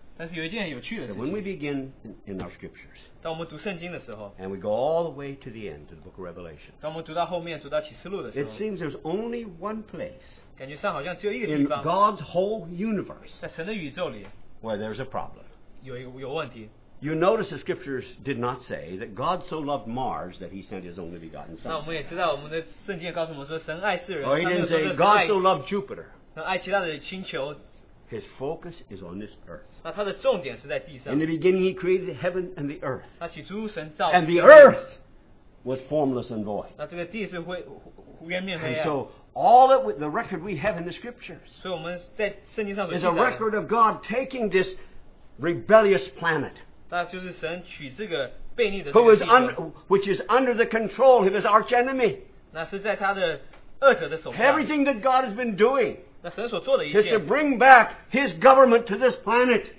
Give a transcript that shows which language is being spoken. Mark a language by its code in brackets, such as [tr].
[en] When we begin in our scriptures, and we go all the way to the end of the book of Revelation, it seems there's only one place in God's whole universe where there's a problem. [zh] 有问题, [en] You notice the scriptures did not say that God so loved Mars that he sent his only begotten son. [zh] 那我们也知道我们的圣经告诉我们说神爱世人。 [en] Or he didn't say God so loved Jupiter. [zh] 那爱其他的星球。 [en] His focus is on this earth. [zh] 那他的重点是在地上。 [en] In the beginning he created the heaven and the earth. [zh] 那起初神造。 [en] And the earth was formless and void. [zh] 那这个地是灰胡烟面黑啊。 [en] And so all that the record we have in the scriptures. [zh] 所以我们在圣经上所记载的。 [en] Is a record of God taking this rebellious planet. Which is under the control of his arch enemy. Everything that God has been doing is to bring back his government to this planet.